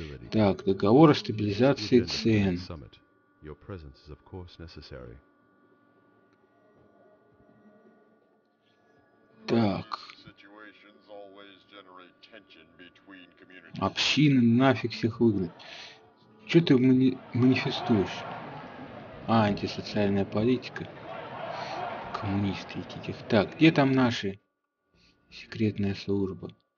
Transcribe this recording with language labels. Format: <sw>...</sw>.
<ru>Так, договор о стабилизации цен.</ru> <en>Your presence is, of course, necessary.</en> <ru>Так.</ru> <en>Situations always generate tension between communities.</en> <ru>Общины нафиг всех выгнать. Чё ты манифестуешь? А, антисоциальная политика. Коммунисты эти. Так, где там наши? Секретная служба.</ru>